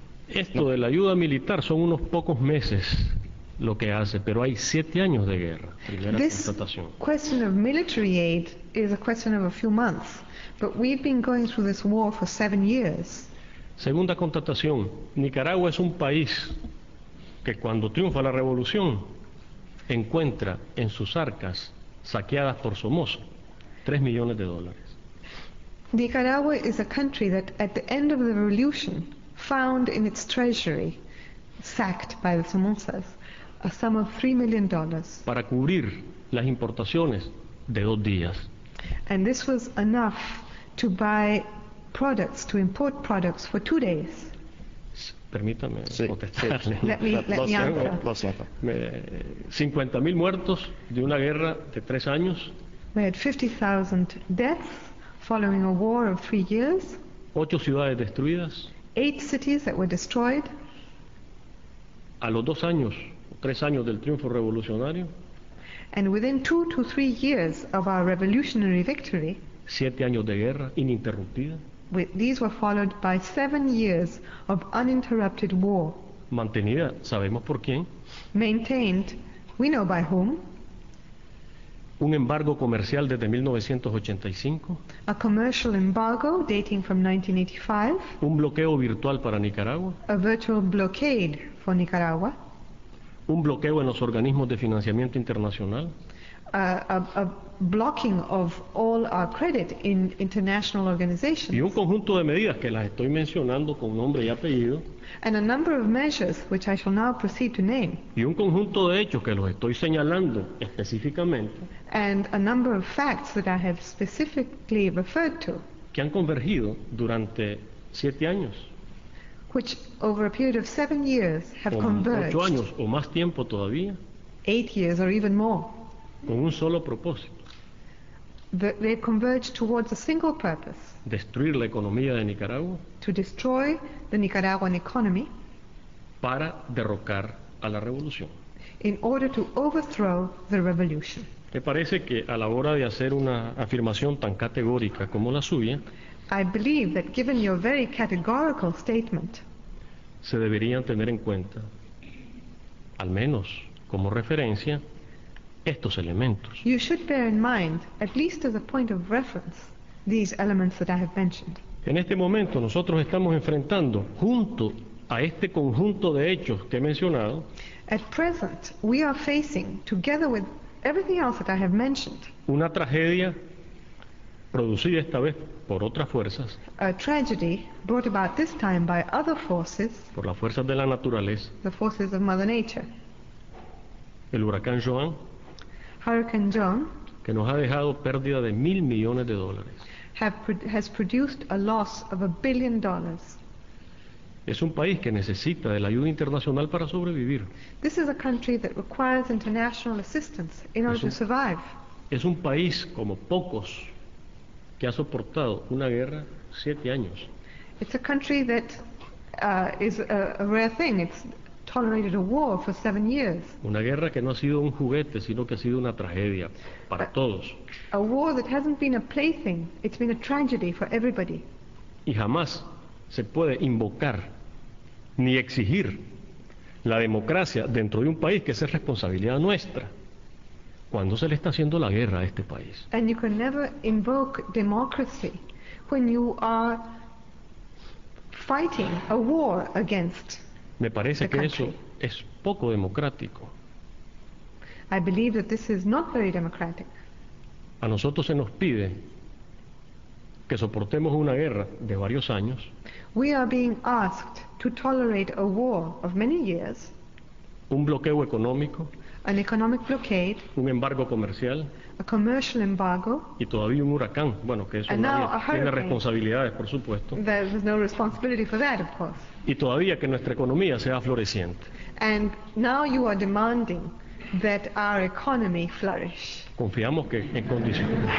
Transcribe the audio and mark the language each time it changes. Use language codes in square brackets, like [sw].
[es] esto de la ayuda militar son unos pocos meses lo que hace, pero hay 7 años de guerra. [en] This [es] constatación. [en] Question of military aid is a question of a few months, but we've been going through this war for 7 years. [es] Segunda constatación: Nicaragua es un país que cuando triunfa la revolución encuentra en sus arcas saqueadas por Somoza $3 million. [en] Nicaragua is a country that at the end of the revolution found in its treasury, sacked by the Somozas, a sum of $3 million [es] para cubrir las importaciones de dos días. [en] And this was enough to buy products, to import products for 2 days. [es] Permítame contestarle. Sí. [en] Let me answer. [es] 50,000 muertos de una guerra de 3 años. [en] We had 50,000 deaths following a war of 3 years. [es] 8 ciudades destruidas. [en] 8 cities that were destroyed. [es] A los 2 años, 3 años del triunfo revolucionario. [en] And within 2 to 3 years of our revolutionary victory. [es] 7 años de guerra ininterrumpida. [en] These were followed by 7 years of uninterrupted war. [es] Mantenida, sabemos por quién. [en] Maintained, we know by whom. [es] Un embargo comercial desde 1985. [en] A commercial embargo dating from 1985. [es] Un bloqueo virtual para Nicaragua. [en] A virtual blockade for Nicaragua. [es] Un bloqueo en los organismos de financiamiento internacional. [en] A blocking of all our credit in international organizations. [es] Y un conjunto de medidas que las estoy mencionando con nombre y apellido. [en] And a number of measures which I shall now proceed to name. [es] Y un conjunto de hechos que los estoy señalando específicamente. [en] And a number of facts that I have specifically referred to. [es] Que han convergido durante 7 años. [en] Which over a period of 7 years have converged. [es] 8 años o más tiempo todavía. [en] 8 years or even more. [es] Con un solo propósito. [en] They converged towards a single purpose. [es] Destruir la economía de Nicaragua. [en] To destroy the Nicaraguan economy. [es] Para derrocar a la revolución. [en] In order to overthrow the revolution. [es] ¿Te parece que a la hora de hacer una afirmación tan categórica como la suya? [en] I believe that given your very categorical statement, [es] se deberían tener en cuenta, al menos como referencia, estos elementos. [en] You should bear in mind, at least as a point of reference, these elements that I have mentioned. [es] En este momento nosotros estamos enfrentando, junto a este conjunto de hechos que he mencionado, [en] at present, we are facing, together with everything else that I have mentioned, [es] una tragedia producida esta vez por otras fuerzas. [en] A tragedy brought about this time by other forces. [es] Por las fuerzas de la naturaleza. [en] The forces of Mother Nature. [es] El huracán Joan. [en] Hurricane John. [es] Que nos ha dejado pérdida de $1,000 millones. [en] Has produced a loss of $1 billion. [es] Es un país que necesita de la ayuda internacional para sobrevivir. [en] This is a country that requires international assistance in order to survive. [es] Es un país como pocos que ha soportado una guerra 7 años. [en] It's a country that is a rare thing. It's tolerated a war for 7 years. [es] Una guerra que no ha sido un juguete, sino que ha sido una tragedia para todos. [en] A war that hasn't been a plaything. It's been a tragedy for everybody. [es] Y jamás se puede invocar ni exigir la democracia dentro de un país que es responsabilidad nuestra. Cuando se le está haciendo la guerra a este país. [en] And you can never invoke democracy when you are fighting a war against. [es] Me parece que eso es poco democrático. [en] I believe that this is not very democratic. [es] A nosotros se nos pide que soportemos una guerra de varios años. [en] We are being asked to tolerate a war of many years. [es] Un bloqueo económico. [en] An economic blockade. [es] Un embargo comercial. [en] A commercial embargo. [es] Y todavía un huracán. Bueno, que eso nadie tiene responsabilidades, por supuesto. [en] There's no responsibility for that, of course. [es] Y todavía que nuestra economía sea floreciente. [en] And now you are demanding that our economy flourish. [es] Confiamos que en condiciones.